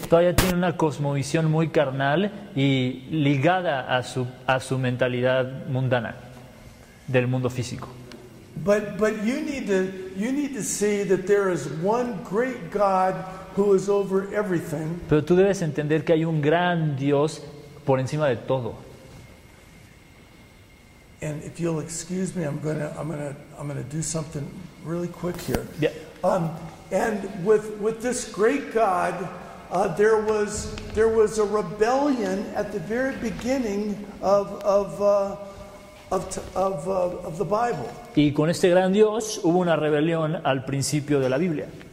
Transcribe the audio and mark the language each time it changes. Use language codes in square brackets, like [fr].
[es] Todavía tiene una cosmovisión muy carnal y ligada a su mentalidad mundana del mundo físico. [en] But you need to see that there is one great God who is over everything. [es] Pero tú debes entender que hay un gran Dios por encima de todo. [en] And if you'll excuse me, I'm gonna do something really quick here. Yeah. And with this great God, there was a rebellion at the very beginning of the Bible. [es] Y con este gran Dios hubo una rebelión al principio de la Biblia.